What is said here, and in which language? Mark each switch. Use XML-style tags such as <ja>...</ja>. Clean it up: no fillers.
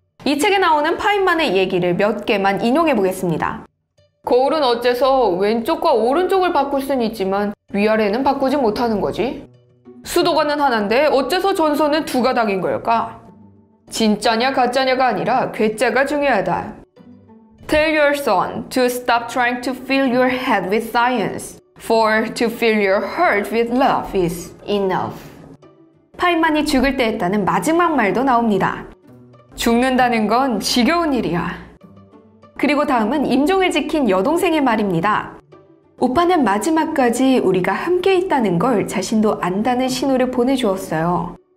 <ko>이 책에 나오는 파인만의 얘기를 몇 개만 인용해보겠습니다. 거울은 어째서 왼쪽과 오른쪽을 바꿀 순 있지만 위아래는 바꾸지 못하는 거지? 수도관은 하나인데 어째서 전선은 두 가닥인 걸까? 진짜냐 가짜냐가 아니라 괴짜가 중요하다.</ko> <en>Tell your son to stop trying to fill your head with science. For to fill your heart with love is enough.</en> <ko>파인만이 죽을 때 했다는 마지막 말도 나옵니다. 죽는다는 건 지겨운 일이야. 그리고 다음은 임종을 지킨 여동생의 말입니다. 오빠는 마지막까지 우리가 함께 있다는 걸 자신도 안다는 신호를 보내주었어요.</ko>